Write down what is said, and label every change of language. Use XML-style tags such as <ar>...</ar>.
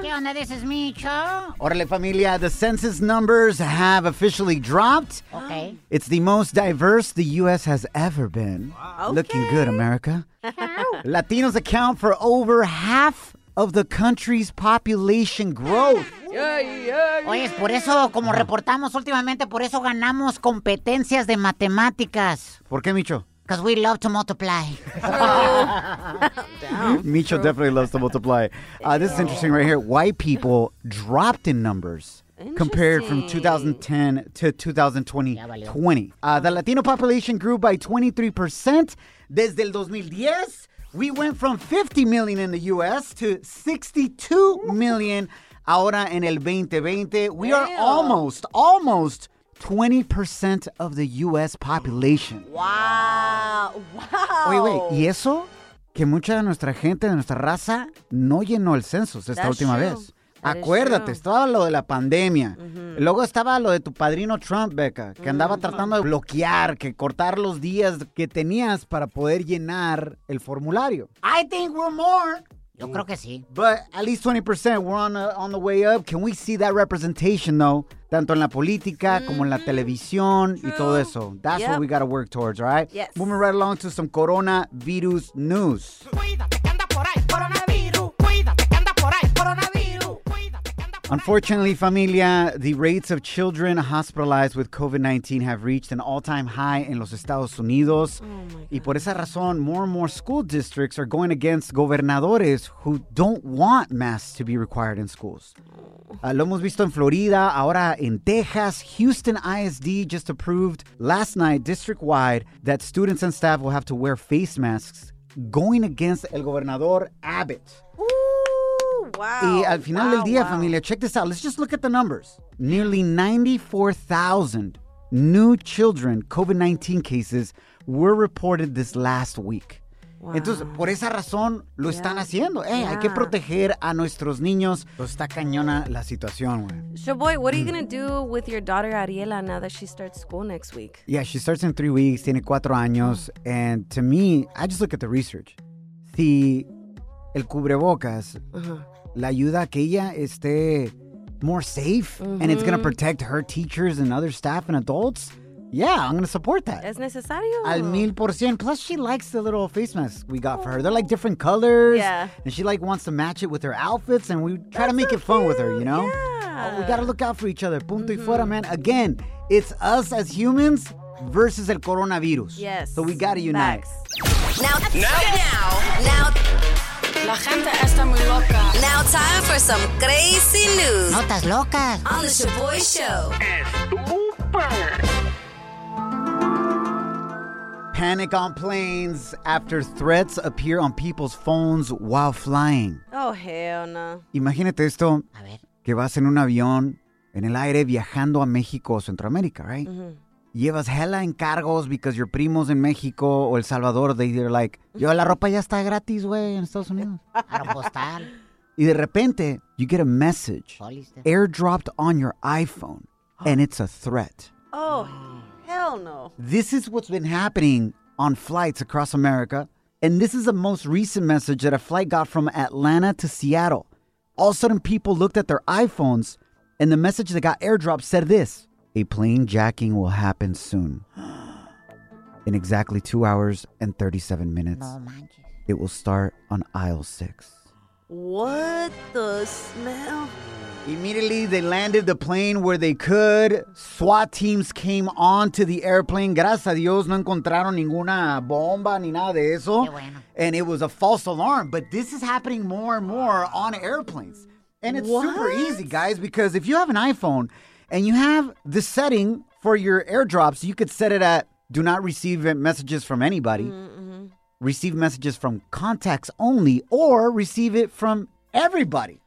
<es>¿Qué onda?</es> <en>This is Micho.</en> <es>Orale, familia.</es> <en>The census numbers have officially dropped. Okay. It's the most diverse the U.S. has ever been. Okay. Looking good, America. Latinos account for over half of the country's population growth.</en> <es>Oye, es por eso, como reportamos últimamente, por eso ganamos competencias de matemáticas. ¿Por qué, Micho?</es> <en>Because we love to multiply. Micho definitely loves to multiply. This is interesting right here. White people dropped in numbers compared from 2010 to 2020. The Latino population grew by 23%</en> <es>desde el 2010.</es> <en>We went from 50 million in the U.S. to 62 million</en> <es>ahora en el 2020.</es> <en>We are almost 20% of the U.S. population. Wow.</en> <es>Oye,</es> <en>wait.</en> <es>¿Y eso? Que mucha de nuestra gente, de nuestra raza, no llenó el censo esta última vez. Acuérdate, estaba lo de la pandemia. Mm-hmm. Luego estaba lo de tu padrino Trump, Becca, que andaba tratando de bloquear, que cortar los días que tenías para poder llenar el formulario.</es> <en>I think we're more.</en> <es>Yo creo que sí.</es> <en>But at least 20%, we're on the way up. Can we see that representation, though?</en> <es>Tanto en la política, como en la televisión, y todo eso.</es> <en>That's what we gotta work towards, right? Yes. Moving right along to some coronavirus news. Unfortunately, familia, the rates of children hospitalized with COVID-19 have reached an all-time high in los Estados Unidos. Oh my God.</en> <es>Y por esa razón,</es> <en>more and more school districts are going against gobernadores who don't want masks to be required in schools.</en> <es>Lo hemos visto en Florida, ahora en Texas.</es> <en>Houston ISD just approved last night, district-wide, that students and staff will have to wear face masks, going against</en> <es>el gobernador</es> <en>Abbott. Wow.</en> <es>Y al final del día, familia,</es> <en>check this out. Let's just look at the numbers. Nearly 94,000 new children COVID-19 cases were reported this last week. Wow.</en> <es>Entonces, por esa razón, lo están haciendo. Hey, hay que proteger a nuestros niños. Está cañona la situación, güey.</es> <en>So, boy, what are you going to do with your daughter, Ariela, now that she starts school next week? Yeah, she starts in 3 weeks.</en> <es>Tiene 4 años.</es> <en>And to me, I just look at the research.</en> <es>Si el cubrebocas... La ayuda que ella esté</es> <en>more safe and it's going to protect her teachers and other staff and adults. Yeah, I'm going to support that.</en> <es>Es necesario. Al 1000%.</es> <en>Plus, she likes the little face masks we got for her. They're like different colors. Yeah. And she like wants to match it with her outfits and we try to make it fun with her, you know? Yeah. Oh, we got to look out for each other.</en> <es>Punto y fuera,</es> <en>man. Again, it's us as humans versus el coronavirus. Yes. So we got to unite. Facts. Now.</en> <es>La gente está muy loca.</es> <en>Now time for some crazy news.</en> <es>Notas locas.</es> <en>On the Shaboy Show. Panic on planes after threats appear on people's phones while flying. Oh, hell no.</en> <es>Imagínate esto. A ver. Que vas en un avión en el aire viajando a México o Centroamérica, right? Mm-hmm. Llevas hella encargos</es> <en>because your</en> <es>primos in Mexico or El Salvador,</es> <en>they're like,</en> <es>yo, la ropa ya está gratis, güey, en Estados Unidos. Aeropostal. Y de repente,</es> <en>you get a message airdropped on your iPhone, and it's a threat. Oh, hell no. This is what's been happening on flights across America, and this is the most recent message that a flight got from Atlanta to Seattle. All of a sudden, people looked at their iPhones, and the message that got airdropped said this. A plane jacking will happen soon. In exactly 2 hours and 37 minutes, it will start on aisle 6. What the smell? Immediately, they landed the plane where they could. SWAT teams came onto the airplane.</en> <es>Gracias a Dios, no encontraron ninguna bomba ni nada de eso. Bueno.</es> <en>And it was a false alarm. But this is happening more and more on airplanes. And it's super easy, guys, because if you have an iPhone... And you have the setting for your airdrops. You could set it at do not receive messages from anybody. Mm-hmm. Receive messages from contacts only or receive it from everybody.</en>